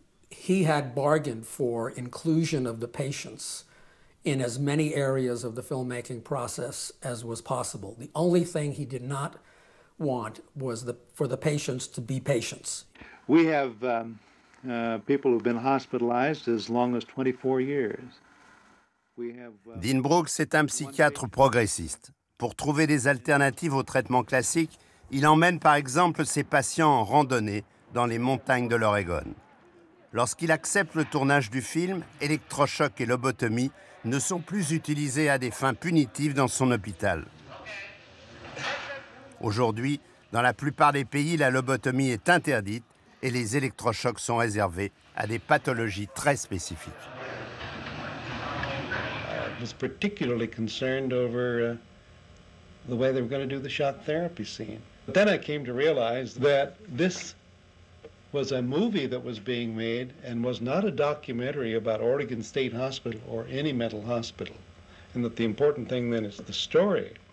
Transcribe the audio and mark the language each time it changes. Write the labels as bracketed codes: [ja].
[en] He had bargained for inclusion of the patients in as many areas of the filmmaking process as was possible. The only thing he did not want was for the patients to be patients. We have people who've been hospitalized as long as 24 years. [fr] Dean Brooks est un psychiatre progressiste. Pour trouver des alternatives au traitement classique, il emmène par exemple ses patients en randonnée dans les montagnes de l'Oregon. Lorsqu'il accepte le tournage du film, électrochoc et lobotomie ne sont plus utilisés à des fins punitives dans son hôpital. Aujourd'hui, dans la plupart des pays, la lobotomie est interdite et les électrochocs sont réservés à des pathologies très spécifiques. [en] Was particularly concerned over the way they were going to do the shock therapy scene. But then I came to realize that this was a movie that was being made and was not a documentary about Oregon State Hospital or any mental hospital, and that the important thing then is the story.